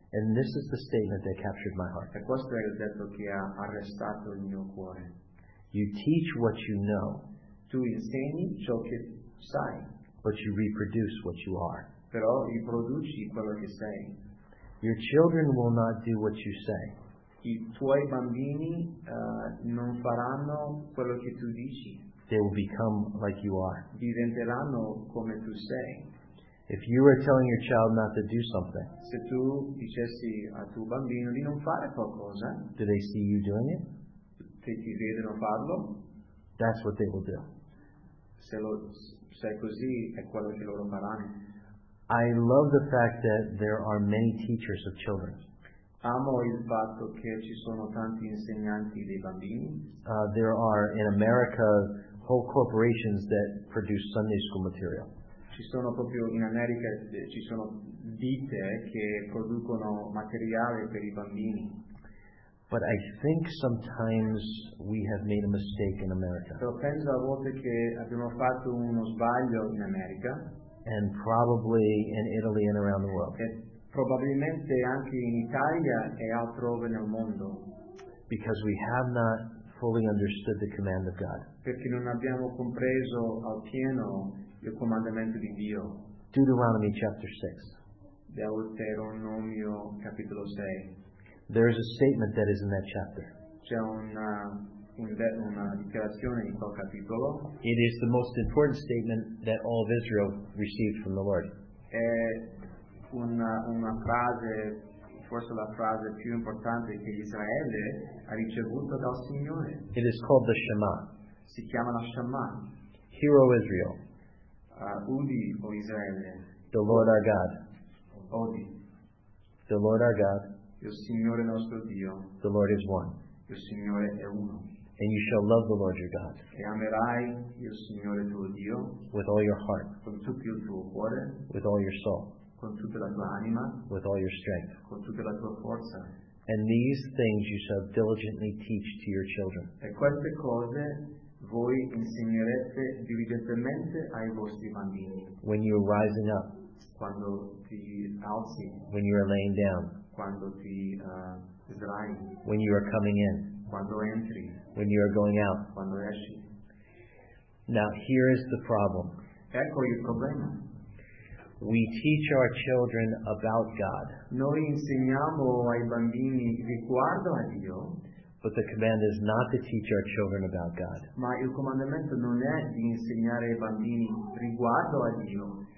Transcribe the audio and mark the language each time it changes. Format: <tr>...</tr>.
<en>And this is the statement that captured my heart.</en> <it>E questo è il detto che ha arrestato il mio cuore.</it> <en>You teach what you know.</en> <it>Tu insegni ciò che sai.</it> <en>But you reproduce what you are.</en> <it>Però riproduci quello che sei.</it> <en>Your children will not do what you say.</en> <it>I tuoi bambini non faranno quello che tu dici.</it> <en>They will become like you are.</en> <it>Diventeranno come tu sei.</it> <en>If you are telling your child not to do something,</en> <it>se tu dicessi a tuo bambino di non fare qualcosa,</it> <en>do they see you doing it?</en> <it>Se ti vedono farlo,</it> <en>that's what they will do.</en> <it>Se è così, è quello che loro faranno.</it> <en>I love the fact that there are many teachers of children.</en> <it>Amo il fatto che ci sono tanti insegnanti dei bambini.</it> <en>There are in America whole corporations that produce Sunday school material.</en> <it>Ci sono proprio in America ci sono ditte che producono materiale per i bambini.</it> <en>But I think sometimes we have made a mistake in America.</en> <it>Però penso a volte che abbiamo fatto uno sbaglio in America.</it> <en>And probably in Italy and around the world.</en> <it>Probabilmente anche in Italia e altrove nel mondo.</it> <en>Because we have not fully understood the command of God.</en> <it>Perché non abbiamo compreso al pieno il comandamento di Dio.</it> <en>Deuteronomy chapter 6.</en> <it>Deuteronomio capitolo 6.</it> <en>There is a statement that is in that chapter.</en> <it>C'è una dichiarazione in quel capitolo.</it> <en>It is the most important statement that all of Israel received from the Lord.</en> <it>È una frase, forse la frase più importante che Israele ha ricevuto dal Signore.</it> <en>It is called the Shema.</en> <it>Si chiama la Shema.</it> <en>Hear, O Israel.</en> <it>Udi, O Israele.</it> <en>The Lord our God.</en> <it>Udi.</it> <en>The Lord our God.</en> <it>Il Signore nostro Dio.</it> <en>The Lord is one.</en> <it>Il Signore è uno.</it> <en>And you shall love the Lord your God.</en> <it>E amerai il Signore tuo Dio.</it> <en>With all your heart.</en> <it>Con tutto il tuo cuore.</it> <en>With all your soul.</en> <it>Con tutta la tua anima.</it> <en>With all your strength.</en> <it>Con tutta la tua forza.</it> <en>And these things you shall diligently teach to your children.</en> <it>E queste cose voi insegnerete diligentemente ai vostri bambini.</it> <en>When you are rising up.</en> <it>Quando ti alzi.</it> <en>When you are laying down.</en> <it>Quando ti sdrai.</it> <en>When you are coming in.</en> <it>Quando entri.</it> <en>When you are going out.</en> <it>Quando esci.</it> <en>Now here is the problem.</en> <it>Ecco il problema.</it> <en>We teach our children about God.</en> <it>Noi insegniamo ai bambini riguardo a Dio.</it> <en>But the command is not to teach our children about God.</en> <it>Ma il comandamento non è di insegnare ai bambini riguardo a Dio.</it>